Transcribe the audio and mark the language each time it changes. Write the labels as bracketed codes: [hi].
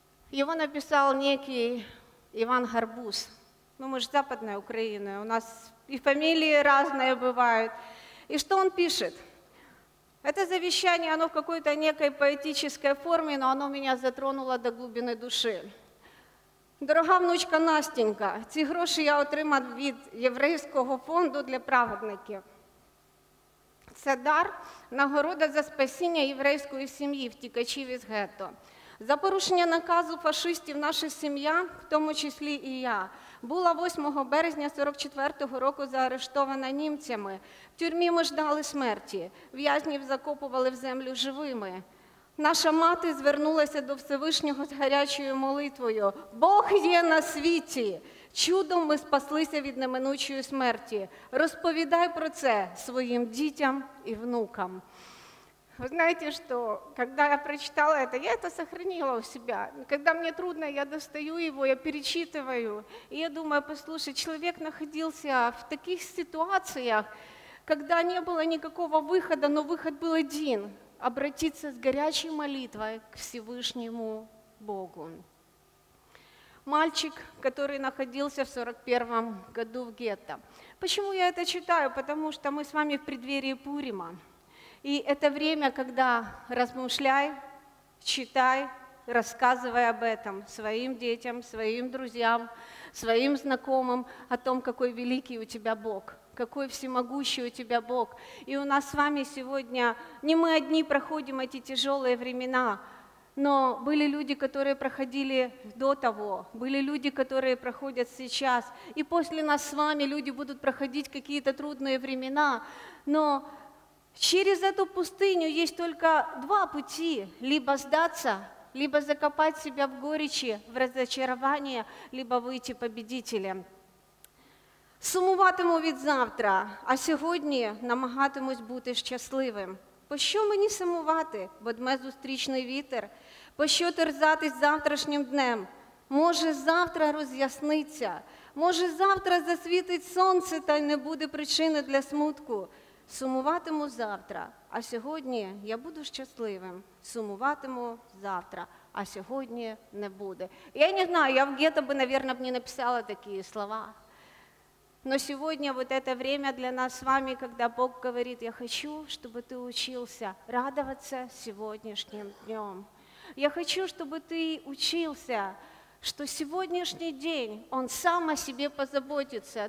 [ru] Его написал некий Иван Гарбуз. Ну, мы же западная Украина, у нас и фамилии разные бывают. И что он пишет? Это завещание, оно в какой-то некой поэтической форме, но оно меня затронуло до глубины души. [uk] Дорога внучка Настенька, ці гроші я отримав від Єврейського фонду для праведників. Це дар, нагорода за спасіння єврейської сім'ї, втікачів із гетто. За порушення наказу фашистів наша сім'я, в тому числі і я, була 8 березня 44-го року заарештована німцями. В тюрмі ми ждали смерті, в'язнів закопували в землю живими. Наша мати звернулася до Всевишнього з гарячою молитвою. Бог є на світі! Чудом ми спаслися від неминучої смерті. Розповідай про це своїм дітям і внукам. Ви знаєте, що, коли я прочитала це, я це зберігала у себе. Коли мені трудно, я достаю його, я перечитую. І я думаю, послухай, чоловік знаходився в таких ситуаціях, коли не було ніякого виходу, але вихід був один – [ru] обратиться с горячей молитвой к Всевышнему Богу. Мальчик, который находился в 41-м году в гетто. Почему я это читаю? Потому что мы с вами в преддверии Пурима. И это время, когда размышляй, читай, рассказывай об этом своим детям, своим друзьям, своим знакомым, о том, какой великий у тебя Бог. Какой всемогущий у тебя Бог. И у нас с вами сегодня, не мы одни проходим эти тяжелые времена, но были люди, которые проходили до того, были люди, которые проходят сейчас. И после нас с вами люди будут проходить какие-то трудные времена. Но через эту пустыню есть только два пути. Либо сдаться, либо закопать себя в горечи, в разочарование, либо выйти победителем. [uk] Сумуватиму від завтра, а сьогодні намагатимусь бути щасливим. Пощо мені сумувати, бо дме зустрічний вітер? Пощо терзатись завтрашнім днем? Може завтра роз'ясниться? Може завтра засвітить сонце, та й не буде причини для смутку? Сумуватиму завтра, а сьогодні я буду щасливим. Сумуватиму завтра, а сьогодні не буде. Я не знаю, я в гетто би, наверное, б не написала такі слова. [ru] Но сегодня вот это время для нас с вами, когда Бог говорит, я хочу, чтобы ты учился радоваться сегодняшним днем. Я хочу, чтобы ты учился, что сегодняшний день, он сам о себе позаботится.